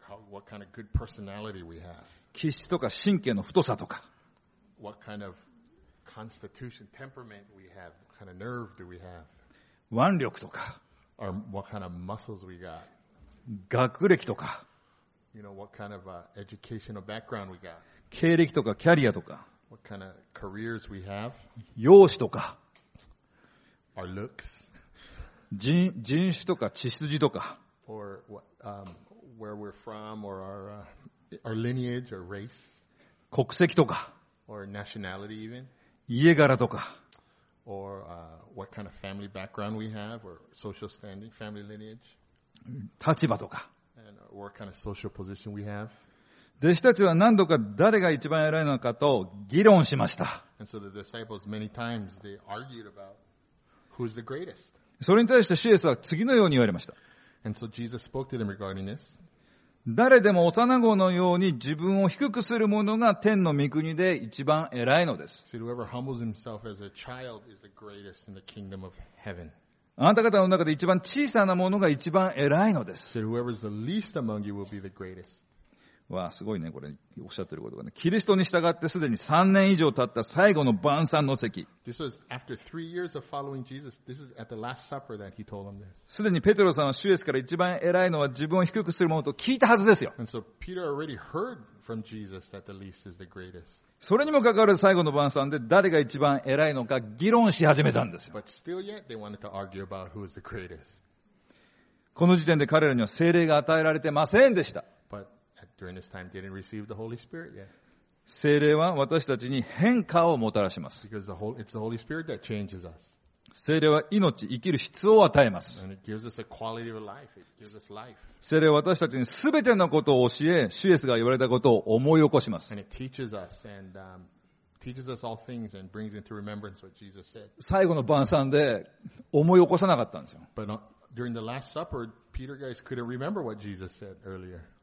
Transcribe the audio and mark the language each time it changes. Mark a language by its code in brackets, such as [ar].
[en] What kind of good personality we have. [ja] 気質とか神経の太さとか。 [en] What kind of constitution, temperament we have. What kind of nerve do we have. [ja] 腕力とか。 [en] Or what kind of muscles we got. [ja] 学歴とか。 [en] You know, what kind of educational background we got. [ja] 経歴とかキャリアとか。 [en] What kind of careers we have. [ja] 容姿とか。 [en] Our looks. [ja] 人種とか血筋とか。 [en] Or what, where we're from or our lineage or race. [ja] 国籍とか。 [en] Or nationality even. [ja] 家柄とか。 [en] Or what kind of family background we have or social standing, family lineage. [ja] 立場とか。 [en] And what kind of social position we have. [ja] 弟子たちは何度か誰が一番偉いのかと議論しました。 [en] And so the disciples many times they argued about who's the greatest. [ja] それに対してシエスは次のように言われました。 [en] And so Jesus spoke to them regarding this. [ja] 誰でも幼子のように自分を低くする者が天の御国で一番偉いのです。 [en] So whoever humbles himself as a child is the greatest in the kingdom of heaven. [ja] あなた方の中で一番小さな者が一番偉いのです。 [en] So whoever is the least among you will be the greatest. [ja] わあ、すごいね、これ、おっしゃってることがね。キリストに従ってすでに3年以上経った最後の晩餐の席。 [en] This was after three years of following Jesus. This is at the last supper that he told them this. [ja] すでにペテロさんは主イエスから一番偉いのは自分を低くするものと聞いたはずですよ。 [en] And so Peter already heard from Jesus that the least is the greatest. [ja] それにもかかわらず最後の晩餐で誰が一番偉いのか議論し始めたんですよ。 [en] But still yet, they wanted to argue about who is the greatest. [ja] この時点で彼らには聖霊が与えられてませんでした。 [en] During this time, they didn't receive the Holy Spirit yet. [ja] 聖霊は私たちに変化をもたらします。 [en] Because it's the Holy Spirit that changes us. [ja] 聖霊は命、生きる質を与えます。 [en] And it gives us a quality of life. It gives us life. [ja] 聖霊は私たちに全てのことを教え、主イエスが言われたことを思い起こします。 [en] And it teaches us and, teaches us all things and brings into remembrance what Jesus said. [ja] 最後の晩餐で思い起こさなかったんですよ。 [en] But during the Last Supper, Peter guys couldn't remember what Jesus said earlier.